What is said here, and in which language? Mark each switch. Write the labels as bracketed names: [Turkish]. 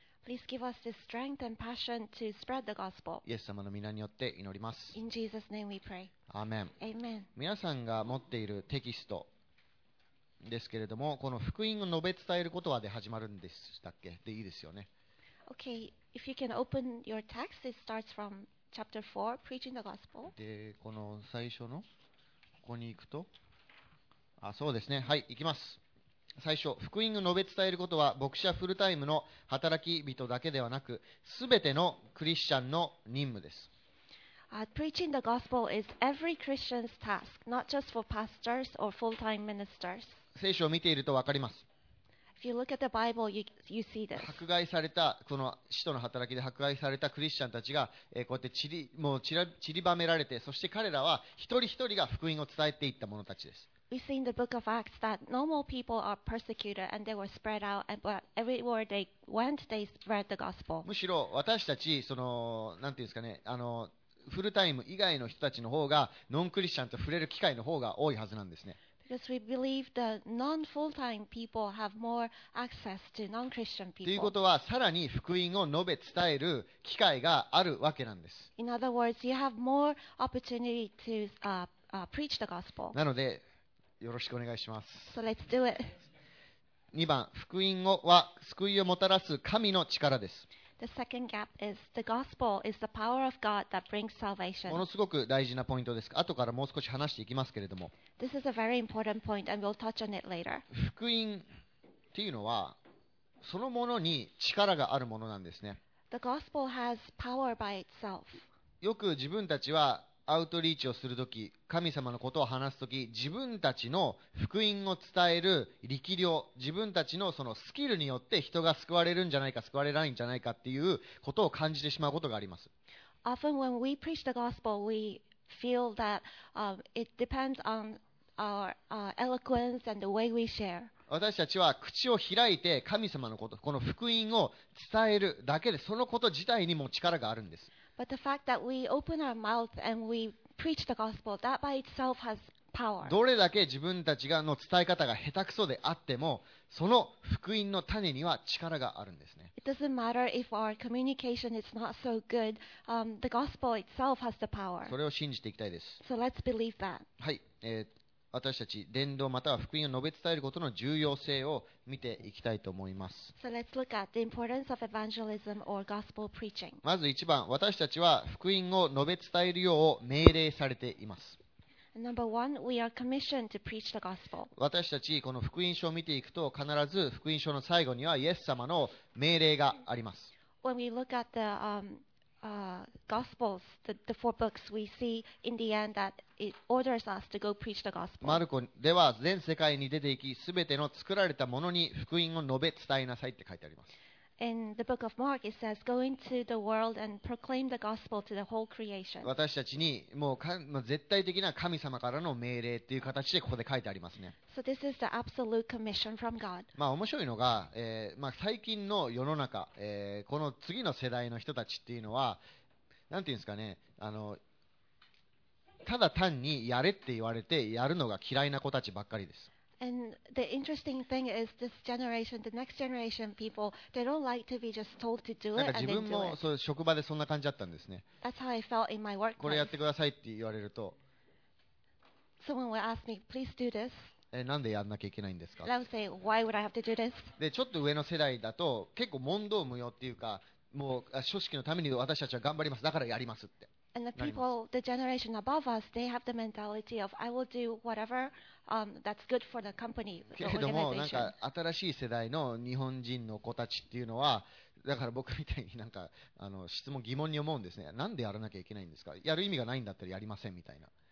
[English] Please give us the strength and passion to spread the gospel. [Japanese] イエス様の名によって祈ります。 [English] In Jesus' name we pray. Amen. Amen. [Japanese] 皆さんが持っているテキストですけれども、この福音を述べ伝えることはで始まるんでしたっけ？でいいですよね。 [English] Okay, if you can open your text, it starts from chapter 4, preaching the gospel. [Japanese] で、この最初のここに行くと、あ、そうですね。はい、行きます。最初、福音を述べ伝えることは牧師はフルタイムの働き人だけではなく、すべてのクリスチャンの任務です。 [English] Preaching the gospel is every Christian's task, not just for pastors or full-time ministers. [Japanese] 聖書を見ているとわかります。 [English] If you look at the Bible, you see this. [Japanese] 迫害されたこの使徒の働きで迫害されたクリスチャンたちが、こうやって散りばめられて、そして彼らは一人一人が福音を伝えていった者たちです。 [English] We've seen the book of Acts that normal people are persecuted and they were spread out, and but everywhere they went, they spread the gospel. [Japanese] むしろ私たち、その、なんていうんですかね、フルタイム以外の人たちの方が、ノンクリスチャンと触れる機会の方が多いはずなんですね。 [English] Because we believe the non-full-time people have more access to non-Christian people. [Japanese] ということは、さらに福音を述べ伝える機会があるわけなんです。 [English] In other words, you have more opportunity to, preach the gospel. [Japanese] なので、よろしくお願いします。 [English] So let's do it. [Japanese] 2番、福音は救いをもたらす神の力です。 [English] The second gap is the gospel is the power of God that brings salvation. [Japanese] ものすごく大事なポイントです。後からもう少し話していきますけれども。 [English] This is a very important point and we'll touch on it later. [Japanese] 福音っていうのはそのものに力があるものなんですね。 [English] The gospel has power by itself. [Japanese] よく自分たちはアウトリーチをするとき、神様のことを話すとき、自分たちの福音を伝える力量、自分たちのそのスキルによって人が救われるんじゃないか、救われないんじゃないかっていうことを感じてしまうことがあります。 [English] Often when we preach the gospel, we feel that, it depends on our, eloquence and the way we share. [Japanese] 私たちは口を開いて神様のこと、この福音を伝えるだけで、そのこと自体にも力があるんです。 [English] But the fact that we open our mouth and we preach the gospel, that by itself has power. [Japanese] どれだけ自分たちがの伝え方が下手くそであっても、その福音の種には力があるんですね。 [English] It doesn't matter if our communication is not so good. The gospel itself has the power. [Japanese] それを信じていきたいです。 [English] So let's believe that. [Japanese] はい、私たち伝道または福音を述べ伝えることの重要性を見ていきたいと思います。 [English] So let's look at the importance of evangelism or gospel preaching. [Japanese] まず一番、私たちは福音を述べ伝えるよう命令されています。 [English] Number one, we are commissioned to preach the gospel. [Japanese] 私たちこの福音書を見ていくと、必ず福音書の最後にはイエス様の命令があります。 [English] When we look at the, Gospels, the four books, we see in the end that it orders us to go preach the gospel. [Japanese] マルコでは全世界に出て行き、すべての作られたものに福音を述べ伝えなさいって書いてあります。 [English] In the book of Mark, it says, "Go into the world and proclaim the gospel to the whole creation." [Japanese] 私たちにもう絶対的な神様からの命令という形でここで書いてありますね。 [English] So this is the absolute commission from God. [Japanese] まあ面白いのが、最近の世の中、この次の世代の人たちっていうのは、なんていうんですかね、ただ単にやれって言われてやるのが嫌いな子たちばっかりです。 [English] And the interesting thing is this generation, the next generation people, they don't like to be just told to do it and then do it. [Japanese] なんか自分もそう職場でそんな感じだったんですね。 [English] That's how I felt in my workplace. [Japanese] これやってくださいって言われると、 [English] Someone would ask me, please do this. [Japanese] なんでやんなきゃいけないんですか。 [English] And I would say, why would I have to do this? [Japanese] でちょっと上の世代だと結構問答無用っていうか、もう組織のために私たちは頑張ります。だからやりますって。 [English] And the people, the generation above us, they have the mentality of I will do whatever, that's good for the company. The organization. [Japanese] けれどもなんか新しい世代の日本人の子たちっていうのは、だから僕みたいになんか質問疑問に思うんですね。なんでやらなきゃいけないんですか。やる意味がないんだったらやりませんみたいな。